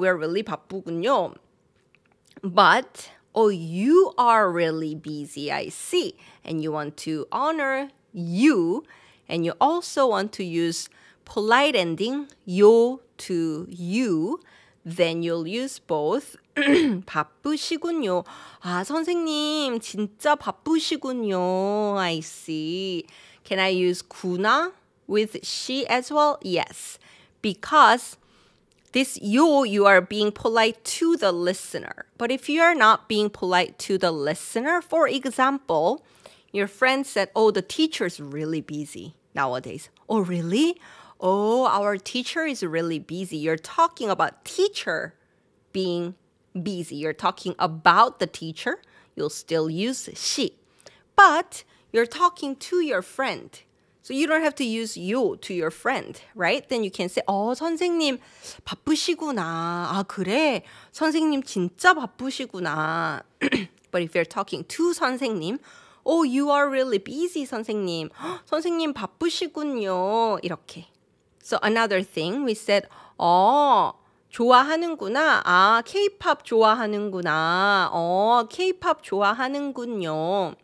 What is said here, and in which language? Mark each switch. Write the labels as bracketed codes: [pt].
[en] We're really [ko] 바쁘군요. [en] But, oh, you are really busy, I see. And you want to honor you. And you also want to use polite ending, 요 to you. Then you'll use both. [ko] 바쁘시군요. 아, 선생님, 진짜 바쁘시군요. [en] I see. Can I use 구나 with 시 as well? Yes. Because this 요, you are being polite to the listener. But if you are not being polite to the listener, for example, your friend said, oh, the teacher is really busy nowadays. Oh, really? Oh, our teacher is really busy. You're talking about teacher being busy. You're talking about the teacher. You'll still use 시. But you're talking to your friend. So you don't have to use 요 to your friend, right? Then you can say, [ko] 어, 선생님 바쁘시구나. 아, 그래? 선생님 진짜 바쁘시구나. [en] But if you're talking to 선생님, oh, you are really busy, 선생님. [ko] 선생님 바쁘시군요. 이렇게. [en] So another thing, we said, [ko] 어, 좋아하는구나. 아, K-pop 좋아하는구나. 어, K-pop 좋아하는군요.